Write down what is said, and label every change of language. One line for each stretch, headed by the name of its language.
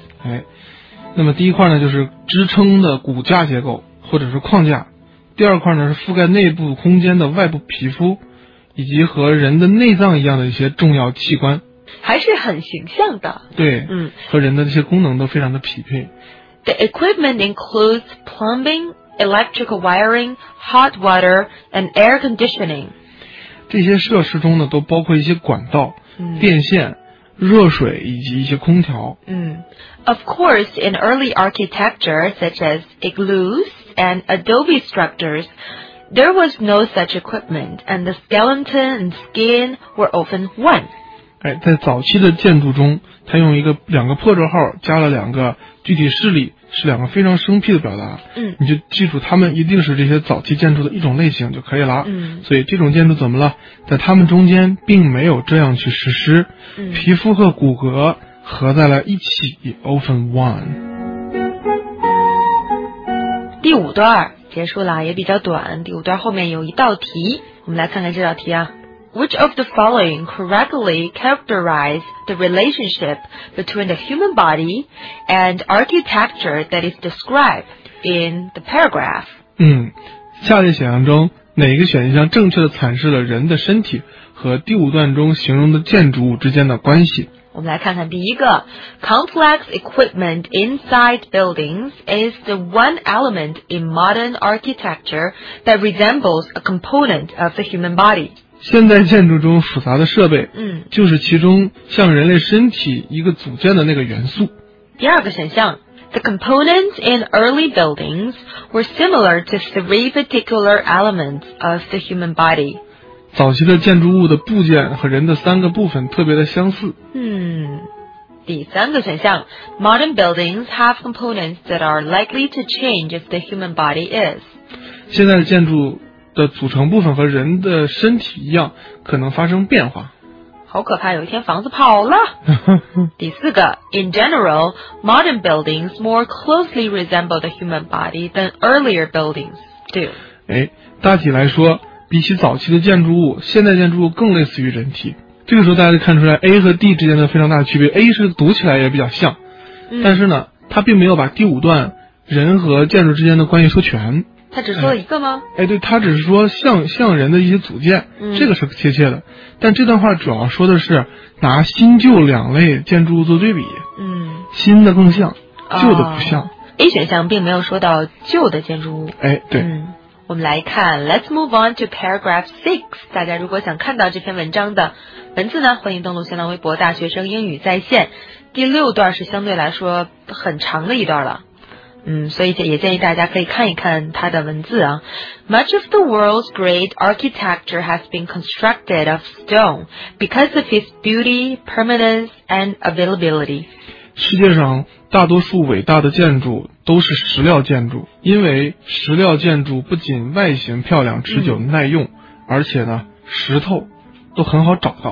Chinese: 哎，那么第一块呢就是支撑的骨架结构或者是框架，第二块呢是覆盖内部空间的外部皮肤，以及和人的内脏一样的一些重要器官。还是很形象的，对，嗯，和人的这些功能都非常的匹配。
English: The equipment includes plumbing, electrical wiring, hot water, and air conditioning.
Chinese: 这些设施中呢，都包括一些管道、嗯、电线、热水以及一些空调。
English: 嗯 ，Of course, in early architecture such as igloos and adobe structures, there was no such equipment, and the skeleton and skin were often one.
Chinese: 哎，在早期的建筑中，他用一个两个破折号加了两个具体示例，是两个非常生僻的表达，嗯，你就记住它们一定是这些早期建筑的一种类型就可以了，嗯，所以这种建筑怎么了，在它们中间并没有这样去实施，嗯，皮肤和骨骼合在了一起
English: often one。
Chinese: 第五段结束了，也比较短，第五段后面有一道题，我们来看看这道题啊。
English: Which of the following correctly characterize the relationship between the human body and architecture that is described in the paragraph?
Chinese: 嗯，下列选项中哪个选项正确的阐释了人的身体和第五段中形容的建筑物之间的关系？我们来看看第一个，
English: Complex equipment inside buildings is the one element in modern architecture that resembles a component of the human body.
Chinese: 现代建筑中复杂的设备，嗯，就是其中像人类身体一个组件的那个元素。第二个选项，
English: The components in early buildings were similar to three particular elements of the human body.
Chinese: 早期的建筑物的部件和人的三个部分特别的相似。嗯，第三个选项，
English: Modern buildings have components that are likely to change if the human body is.
Chinese: 现在的建筑的组成部分和人的身体一样可能发生变化，好可怕，有一天房子跑了。第四个，
English: In general, modern buildings more closely resemble the human body than earlier buildings do.
Chinese: 大体来说，比起早期的建筑物，现代建筑物更类似于人体。这个时候大家就看出来 A 和 D 之间的非常大的区别， A 是读起来也比较像，嗯，但是呢它并没有把第五段人和建筑之间的关系说全，他只说了一个吗？对，他只是说像人的一些组件，嗯，这个是贴切的。但这段话主要说的是拿新旧两类建筑物做对比，嗯，新的更像，旧的不像。 A 选项并没有说到旧的建筑物。对，嗯，我们来看
English: ，Let's move on to paragraph six。
Chinese: 大家如果想看到这篇文章的文字呢，欢迎登录新浪微博大学生英语在线。第六段是相对来说很长的一段了。嗯，所以也建议大家可以看一看它的文字啊。
English: Much of the world's great architecture has been constructed of stone because of its beauty, permanence, and availability.
Chinese: 世界上大多数伟大的建筑都是石料建筑，因为石料建筑不仅外形漂亮、持久、耐用，嗯，而且呢，石头都很好找到。